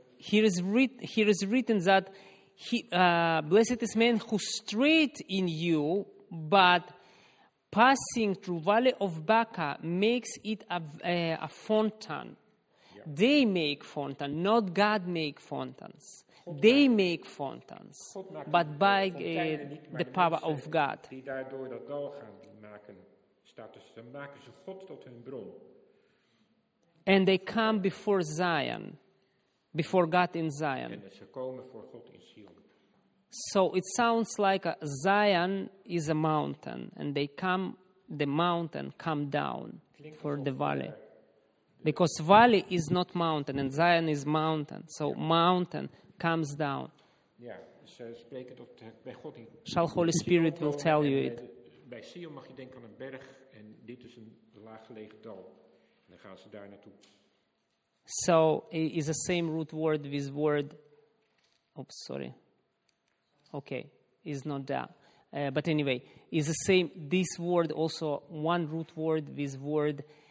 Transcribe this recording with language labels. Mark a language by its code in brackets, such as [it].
[en] Here is written that blessed is man who straight in you, but passing through valley of Baca makes it a fountain. Yeah. They make fountain, not God make fountains. They make fontans, but by the power of God. [nl] Die daardoor dat dal gaan maken, staat dus, dan maken ze God tot hun bron. [en] And they come before Zion, before God in Zion. [nl] En ze komen voor God in Sion. [en] So it sounds like a Zion is a mountain, and they come, the mountain come down for the valley. Because valley is not mountain, and Zion is mountain. So mountain comes down. [nl] Ja, ze spreken tot bij God. [en] Shall Holy Spirit will tell you it. [nl] Bij Sion mag je denken aan een berg en dit is een laaggelegen dal. En dan gaan ze daar naartoe. [en] So it is the same root word with word. Oops, sorry. Okay, it's not that. But anyway, it's the same. This word also one root word with word